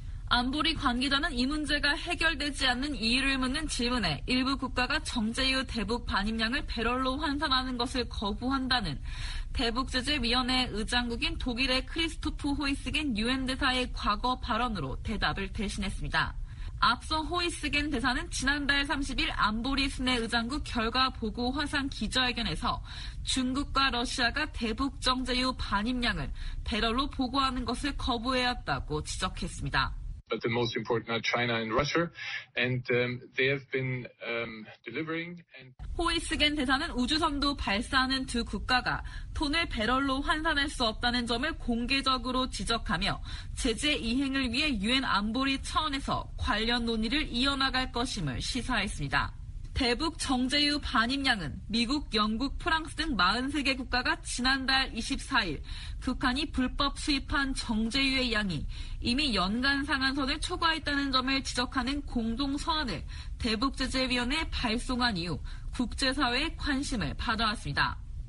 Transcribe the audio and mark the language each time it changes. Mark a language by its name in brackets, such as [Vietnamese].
[Korean] 안보리 관계자는 이 문제가 해결되지 않는 이유를 묻는 질문에 일부 국가가 정제유 대북 반입량을 배럴로 환산하는 것을 거부한다는 대북제재위원회 의장국인 독일의 크리스토프 호이스겐 유엔 대사의 과거 발언으로 대답을 대신했습니다. 앞서 호이스겐 대사는 지난달 30일 안보리 순회 의장국 결과 보고 화상 기자회견에서 중국과 러시아가 대북 정제유 반입량을 배럴로 보고하는 것을 거부해왔다고 지적했습니다. [English] But the most important are China and Russia, and they have been delivering. And... [Korean] 호이스겐 대사는 우주선도 발사하는 두 국가가 톤을 배럴로 환산할 수 없다는 점을 공개적으로 지적하며 제재 이행을 위해 유엔 안보리 차원에서 관련 논의를 이어나갈 것임을 시사했습니다. 대북 정제유 반입량은 미국, 영국, 프랑스 등 43개 국가가 지난달 24일 북한이 불법 수입한 정제유의 양이 이미 연간 상한선을 초과했다는 점을 지적하는 공동서한을 대북제재위원회에 발송한 이후 국제사회의 관심을 받아왔습니다.